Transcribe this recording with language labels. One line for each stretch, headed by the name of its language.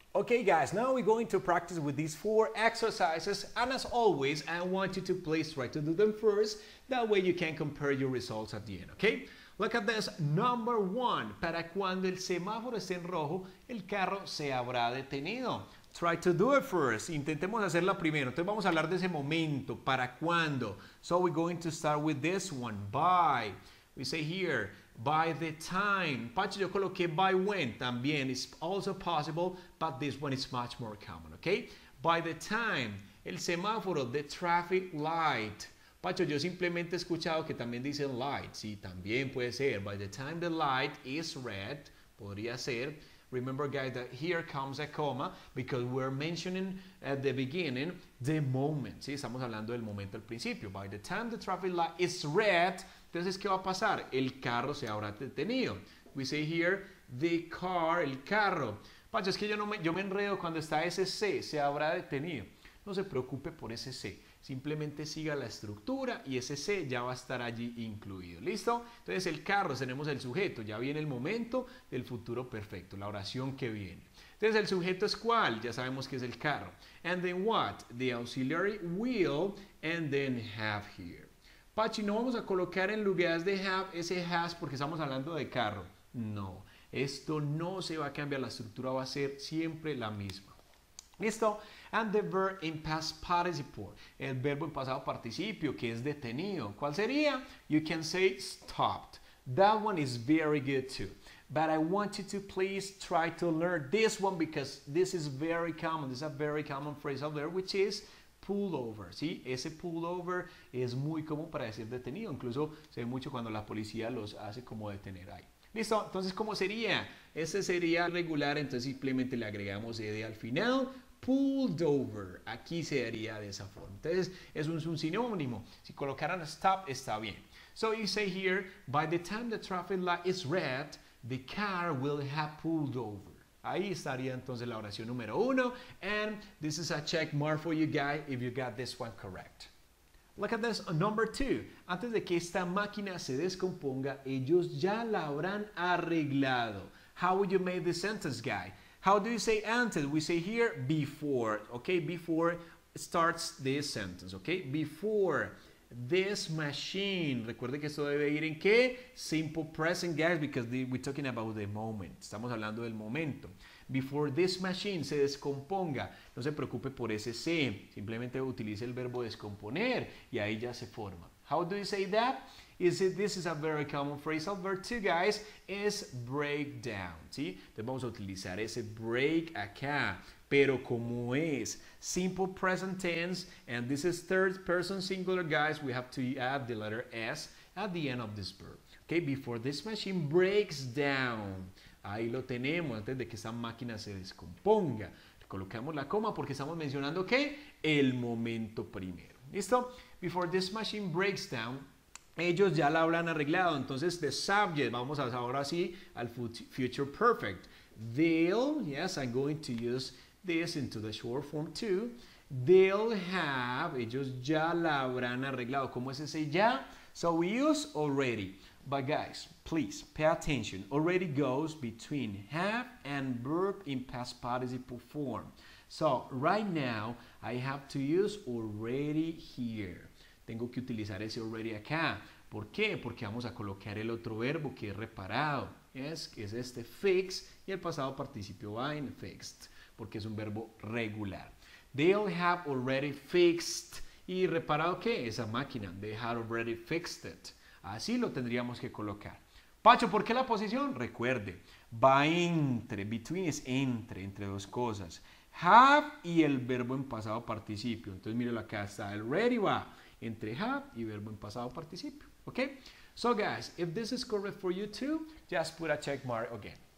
English: Okay, guys, now we're going to practice with these four exercises. And as always, I want you to please try to do them first. That way you can compare your results at the end, okay? Look at this. Number one,
Spanish: para cuando el semáforo esté en rojo, el carro se habrá detenido.
English: Try to do it first.
Spanish: Intentemos hacerla primero. Entonces vamos a hablar de ese momento. ¿Para cuándo?
English: So we're going to start with this one. By. We say here, by the time.
Spanish: Pacho, yo coloqué
English: by when
Spanish: también.
English: It's also possible, but this one is much more common, okay? By the time.
Spanish: El semáforo,
English: the traffic light.
Spanish: Pacho, yo simplemente he escuchado que también dicen light. Sí, también puede ser.
English: By the time the light is red,
Spanish: podría ser.
English: Remember, guys, that here comes a comma because we're mentioning at the beginning the moment.
Spanish: Sí, estamos hablando del momento al principio.
English: By the time the traffic light is red,
Spanish: entonces, ¿qué va a pasar? El carro se habrá detenido.
English: We say here, the car,
Spanish: el carro. Pacho, es que yo me enredo cuando está ese C, se habrá detenido. No se preocupe por ese C. Simplemente siga la estructura y ese C ya va a estar allí incluido. ¿Listo? Entonces, el carro, tenemos el sujeto. Ya viene el momento del futuro perfecto, la oración que viene. Entonces, ¿el sujeto es cuál? Ya sabemos que es el carro.
English: And then what? The auxiliary will and then have here.
Spanish: Pachi, no vamos a colocar en lugar de have ese has porque estamos hablando de carro. No, esto no se va a cambiar. La estructura va a ser siempre la misma. ¿Listo?
English: And the verb in past participle.
Spanish: El verbo en pasado participio, que es detenido. ¿Cuál sería?
English: You can say stopped. That one is very good too. But I want you to please try to learn this one because this is very common. This is a very common phrase out there, which is pullover.
Spanish: ¿Sí? Ese pullover es muy común para decir detenido. Incluso se ve mucho cuando la policía los hace como detener ahí. ¿Listo? Entonces, ¿cómo sería? Ese sería regular, entonces simplemente le agregamos ed al final.
English: Pulled over.
Spanish: Aquí sería de esa forma. Entonces, eso es un sinónimo. Si colocaran stop, está bien.
English: So, you say here, by the time the traffic light is red, the car will have pulled over.
Spanish: Ahí estaría entonces la oración número uno.
English: And this is a check mark for you guys if you got this one correct. Look at this, number two.
Spanish: Antes de que esta máquina se descomponga, ellos ya la habrán arreglado.
English: How would you make this sentence, guy? How do you say antes? We say here, before. Okay, before starts this sentence. Okay, before this machine.
Spanish: Recuerde que esto debe ir en qué?
English: Simple present, guys, because we're talking about the moment.
Spanish: Estamos hablando del momento.
English: Before this machine
Spanish: se descomponga, no se preocupe por ese se. Simplemente utilice el verbo descomponer y ahí ya se forma.
English: How do you say that? This is a very common phrase. Number two, guys, is break down.
Spanish: ¿Sí? Entonces vamos a utilizar ese break acá. Pero como es
English: simple present tense, and this is third person singular, guys, we have to add the letter S at the end of this verb. Okay, before this machine breaks down.
Spanish: Ahí lo tenemos, antes de que esa máquina se descomponga. Colocamos la coma porque estamos mencionando, ¿qué? El momento primero. ¿Listo?
English: Before this machine breaks down,
Spanish: ellos ya la habrán arreglado. Entonces, the subject, vamos a ahora sí al future perfect.
English: They'll, yes, I'm going to use this into the short form too. They'll have,
Spanish: ellos ya la habrán arreglado. ¿Cómo es ese ya?
English: So we use already. But guys, please pay attention. Already goes between have and verb in past participle form. So right now, I have to use already here.
Spanish: Tengo que utilizar ese already acá. ¿Por qué? Porque vamos a colocar el otro verbo que es reparado. Yes, es este fix y el pasado participio va en fixed porque es un verbo regular.
English: They'll have already fixed.
Spanish: ¿Y reparado qué? Esa máquina.
English: They had already fixed it.
Spanish: Así lo tendríamos que colocar. Pacho, ¿por qué la posición? Recuerde, va entre. Between es entre dos cosas. Have y el verbo en pasado participio. Entonces, mírelo acá. Está el ready va entre have y verbo en pasado participio.
English: ¿Ok? So, guys, if this is correct for you too, just put a check mark again.